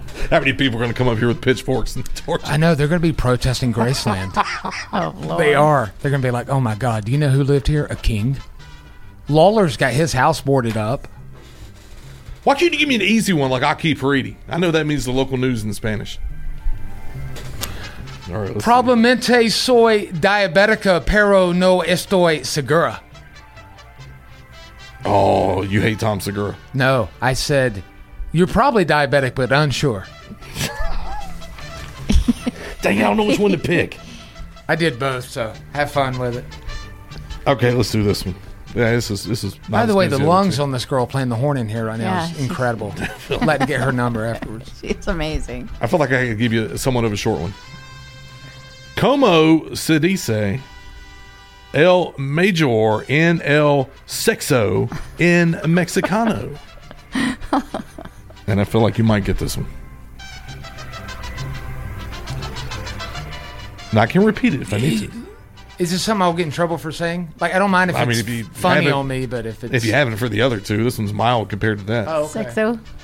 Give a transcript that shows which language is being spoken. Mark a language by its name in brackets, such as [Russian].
[English] How many people are going to come up here with pitchforks and torches? I know. They're going to be protesting Graceland. Oh, Lord. They are. They're going to be like, oh, my God. Do you know who lived here? A king. Lawler's got his house boarded up. Why can't you give me an easy one like Aki Parisi? I know that means the local news in Spanish. [Spanish] All right, Probablemente soy diabética, pero no estoy segura. [English] Oh, you hate Tom Segura. No, I said, you're probably diabetic, but unsure. Dang, I don't know which one to pick. I did both, so have fun with it. Okay, let's do this one. Yeah, this is. By the way, the lungs on this girl playing the horn in here right now is incredible. Let me get her number afterwards. It's amazing. I feel like I could give you somewhat of a short one. [Spanish] Como se dice el mayor en el sexo en Mexicano? [English] And I feel like you might get this one. Now, I can repeat it if I need to. Is this something I'll get in trouble for saying? Like, I don't mind if it's funny on me, but if it's... If you haven't for the other two, this one's mild compared to that. Oh, okay. Sexo.